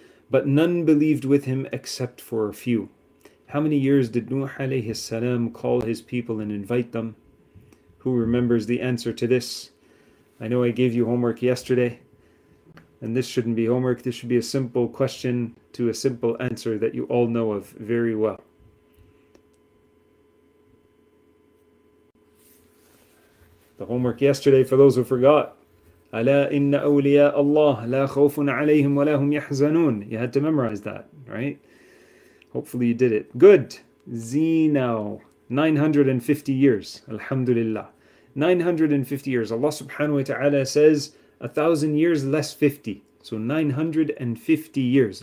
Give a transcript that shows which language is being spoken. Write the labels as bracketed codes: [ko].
[en] But none believed with him except for a few. How many years did Nuh alayhi salam call his people and invite them? Who remembers the answer to this? I know I gave you homework yesterday, and this shouldn't be homework. This should be a simple question to a simple answer that you all know of very well. The homework yesterday, for those who forgot, [ar] أَلَا إِنَّ أَوْلِيَاءَ اللَّهِ لَا خَوْفٌ عَلَيْهِمْ وَلَا هُمْ يَحْزَنُونَ. [en] You had to memorize that, right? Hopefully you did it. Good. Zinao. 950 years. Alhamdulillah. 950 years. Allah subhanahu wa ta'ala says 1,000 years less 50. So 950 years.